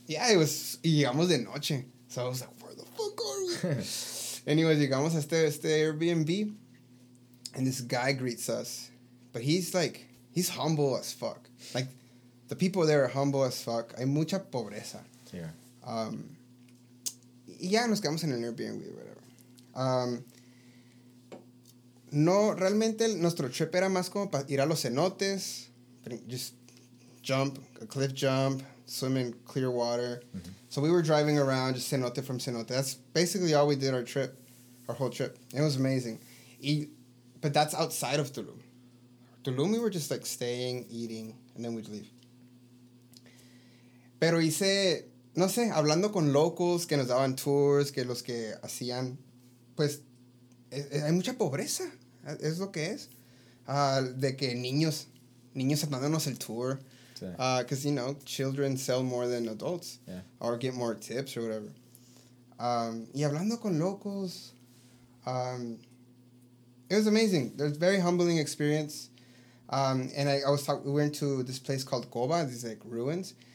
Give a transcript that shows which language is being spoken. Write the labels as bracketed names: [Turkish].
[Spanish] Yeah, y llegamos de noche. [English] So I was like, where the fuck are we? Anyways, [Spanish] llegamos a este Airbnb, [English] and this guy greets us, but he's like, he's humble as fuck. Like, the people there are humble as fuck. [Spanish] Hay mucha pobreza. [English] Yeah. [Spanish] Y ya nos quedamos en el Airbnb, whatever. No, realmente nuestro trip era más como para ir a los cenotes, [English] just jump, a cliff jump, swim in clear water. Mm-hmm. So we were driving around, just cenote from cenote. That's basically all we did our whole trip. It was amazing. But that's outside of Tulum. Tulum, we were just like staying, eating, and then we'd leave. [Spanish] Pero hice, no sé, hablando con locals que nos daban tours, que los que hacían, pues, hay mucha pobreza. Es lo que es. De que niños mandándonos el tour. [English] Because, you know, children sell more than adults. Yeah. Or get more tips or whatever. [Spanish] Y hablando con locals, [English] it was amazing. It was a very humbling experience. And I was talking, we went to this place called Coba, these like ruins.